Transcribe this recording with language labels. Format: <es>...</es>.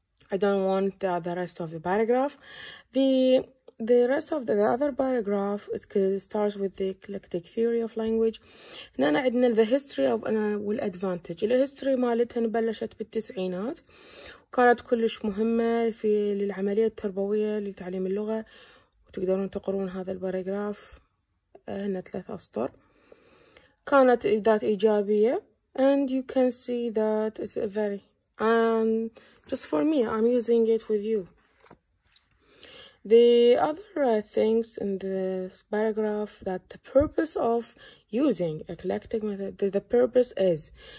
<en>I don't want the rest of the paragraph. The rest of the other paragraph, it starts with the eclectic theory of language.</en> <ar>هنا عندنا</ar> <en>the history of والadvantage. The history</en> <ar>مالتها بلشت بالتسعينات وكانت كلش مهمة في للعملية التربوية لتعليم اللغة وتقدرون تقرون هذا الباراجراف هنا ثلاث أسطر. كانت ذات إيجابية</ar> <en>and you can see that it's a very and just for me, I'm using it with you. The other things in this paragraph that the purpose of using eclectic method, the purpose is</en>